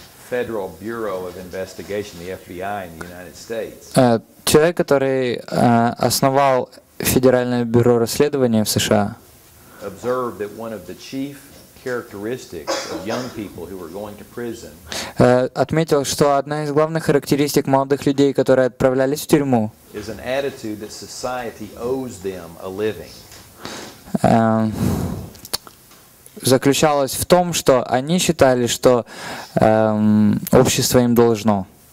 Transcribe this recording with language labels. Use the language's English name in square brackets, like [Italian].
[English] Federal Bureau of Investigation, the FBI in the United States. [Russian] Человек, который основал Федеральное бюро расследования в США, [English] observed that one of the chief characteristics of young people who were going to prison. [Russian] Отметил, что одна из главных характеристик молодых людей, которые отправлялись в тюрьму, [English] is an attitude that society owes them a living. [Russian] Заключалось в том, что они считали, что общество им должно.